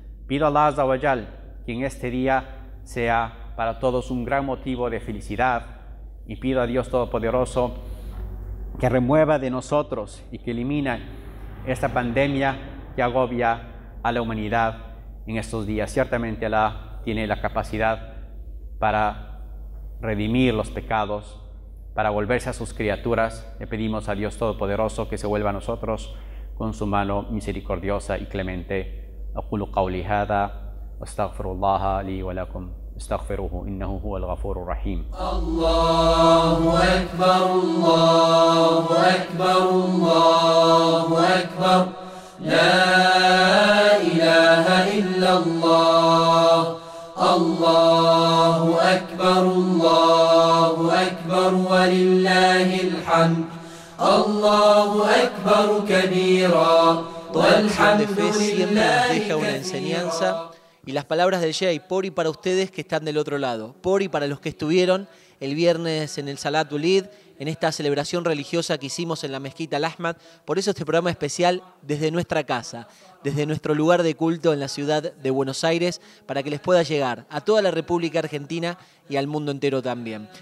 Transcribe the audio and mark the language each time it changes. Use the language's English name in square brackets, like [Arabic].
[Spanish] Pido a Allah [Arabic] Azza wa Jal [Spanish] que en este día sea para todos un gran motivo de felicidad, y pido a Dios Todopoderoso que remueva de nosotros y que elimine esta pandemia que agobia a la humanidad en estos días. Ciertamente Allah tiene la capacidad para redimir los pecados, para volverse a sus criaturas. Le pedimos a Dios Todopoderoso que se vuelva a nosotros con su mano misericordiosa y clemente. [Arabic] أقول قولي هذا واستغفر الله لي ولكم استغفروه إنه هو الغفور الرحيم. الله أكبر الله أكبر الله أكبر لا إله إلا الله الله أكبر الله أكبر ولله الحمد الله أكبر كبيرا. [Spanish] Bendición de fe siempre nos deja una enseñanza. Y las palabras de Jay, por y para ustedes que están del otro lado, por y para los que estuvieron el viernes en el Salat Ul Eid, en esta celebración religiosa que hicimos en la Mezquita Al Ahmad. Por eso este programa especial desde nuestra casa, desde nuestro lugar de culto en la ciudad de Buenos Aires, para que les pueda llegar a toda la República Argentina y al mundo entero también.